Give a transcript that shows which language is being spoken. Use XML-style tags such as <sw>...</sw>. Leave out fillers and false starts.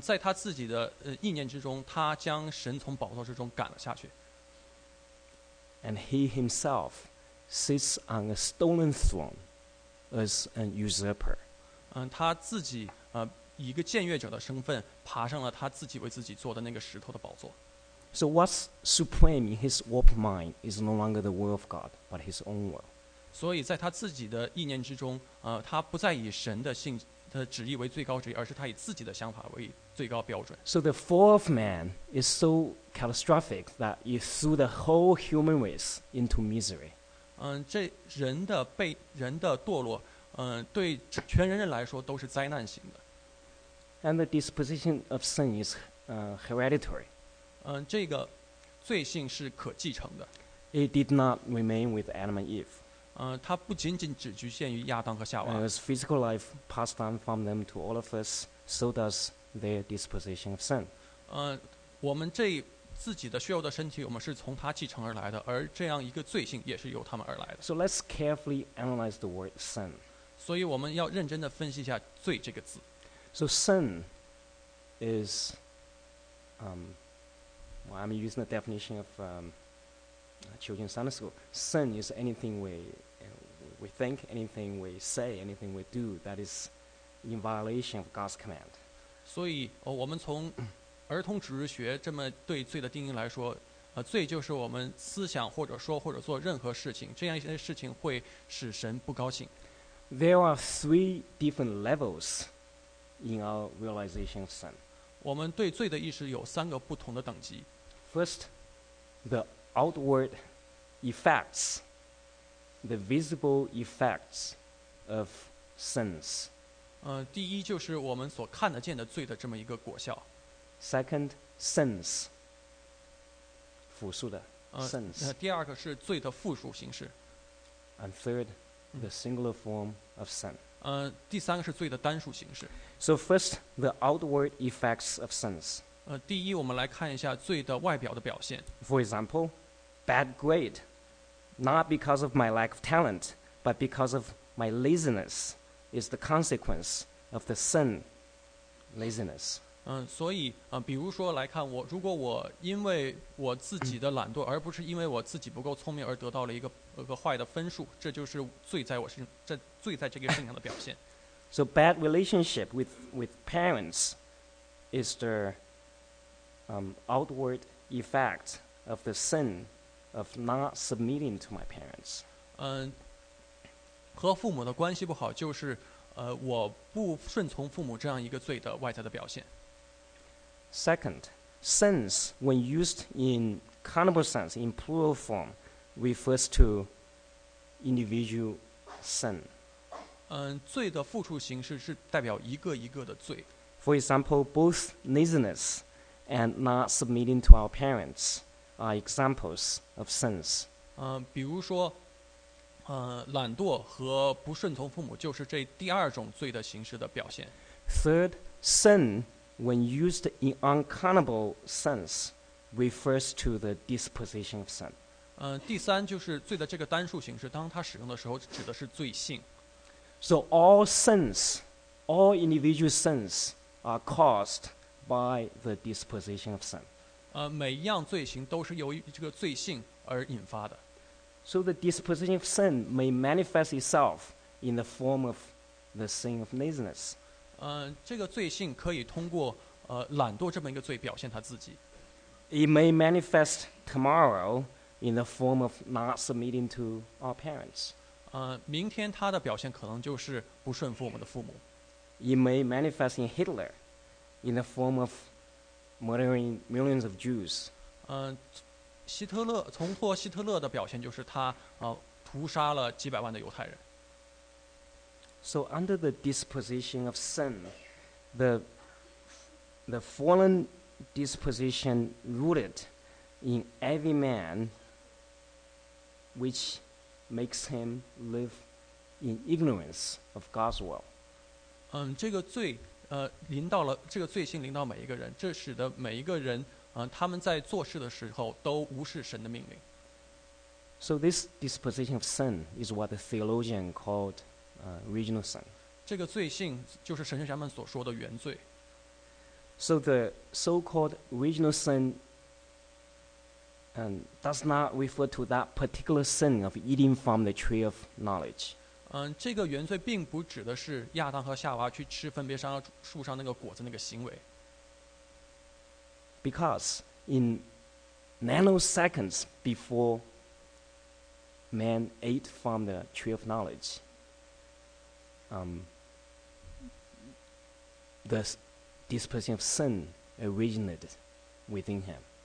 <zh>在他自己的意念之中，他将神从宝座之中赶了下去。</zh> <en>And he himself sits on a stolen throne as an usurper.</en> <zh>他自己以一个僭越者的身份爬上了他自己为自己做的那个石头的宝座。</zh> <en>So what's supreme in his warped mind is no longer the will of God, but his own will.</en> <zh>所以在他自己的意念之中，他不再以神的旨意为最高旨意，而是他以自己的想法为最高标准。</zh> <en>So the fall of man is so catastrophic that it threw the whole human race into misery.</en> <zh>这人的堕落, 对全人类来说都是灾难性的。</zh> <en>And the disposition of sin is hereditary.</en> <zh>这个罪性是可继承的。</zh> <en>It did not remain with Adam and Eve.</en> <zh>它不仅仅只局限于亚当和夏娃。</zh> <en>As physical life passed on from them to all of us, so does their disposition of sin.</en> <zh>我们这自己的血肉的身体，我们是从它继承而来的，而这样一个罪性也是由他们而来的。</zh> <en>So let's carefully analyze the word sin.</en> <zh>所以我们要认真地分析一下罪这个字。</zh> <en>So sin is, I'm using the definition of children's Sunday school. Sin is anything we think, anything we say, anything we do that is in violation of God's command.</en> <zh>所以，我们从儿童主日学这么对罪的定义来说，罪就是我们思想或者说或者做任何事情，这样一些事情会使神不高兴。</zh> <en>There are three different levels. In our realization of sin,</en> <zh>我们对罪的意识有三个不同的等级。</zh> <en>First, the outward effects, the visible effects of sins.</en> <zh>第一就是我们所看得见的罪的这么一个果效。</zh> <en>Second, sins.</en> <zh>复数的</zh> <en>sins.</en> <zh>第二个是罪的复数形式。</zh> <en>And third, the singular form of sin.</en> <zh>第三个是罪的单数形式。</zh> <en>So first, the outward effects of sins.</en> <zh>第一，我们来看一下罪的外表的表现。</zh> <en>For example, bad grade, not because of my lack of talent, but because of my laziness, is the consequence of the sin, laziness.</en> <zh>所以，比如说来看我，如果我因为我自己的懒惰，而不是因为我自己不够聪明而得到了一个坏的分数，这就是罪在我身上，这罪在这个身上的表现。</zh> <en>So bad relationship with parents is the outward effect of the sin of not submitting to my parents.</en> <zh>和父母的关系不好就是我不顺从父母这样一个罪的外在的表现。</zh> <en>Second, sins when used in carnal sense in plural form refers to individual sin.</en> <zh>罪的复数形式是代表一个一个的罪。</zh> <en>For example, both laziness and not submitting to our parents are examples of sins.</en> <zh>比如说，懒惰和不顺从父母就是这第二种罪的形式的表现。</zh> <en>Third, sin, when used in uncountable sense, refers to the disposition of sin.</en> <zh>第三就是罪的这个单数形式，当它使用的时候，指的是罪性。</zh> <en>So all sins, all individual sins are caused by the disposition of sin.</en> <zh>每一样罪行都是由于这个罪性而引发的。</zh> <en>So the disposition of sin may manifest itself in the form of the sin of laziness.</en> <zh>这个罪性可以通过懒惰这么一个罪表现它自己。</zh> <en>It may manifest tomorrow in the form of not submitting to our parents.</en> <zh>明天他的表现可能就是不顺服我们的父母。</zh> <en>It may manifest in Hitler in the form of murdering millions of Jews.</en> <zh>希特勒从托希特勒的表现就是他屠杀了几百万的犹太人。</zh> <en>So under the disposition of sin, the fallen disposition rooted in every man, which makes him live in ignorance of God's will.</en> <zh>这个罪临到了这个罪性临到每一个人，这使得每一个人他们在做事的时候都无视神的命令。</zh> <en>So this disposition of sin is what the theologian called original sin.</en> <zh>这个罪性就是神学家们所说的原罪。</zh> <en>So the so-called original sin. And does not refer to that particular sin of eating from the tree of knowledge.</en> <zh>这个原罪并不指的是亚当和夏娃去吃分别树上那个果子那个行为。</zh> <en>Because in nanoseconds before man ate from the tree of knowledge, the disposition of sin originated within him.</en>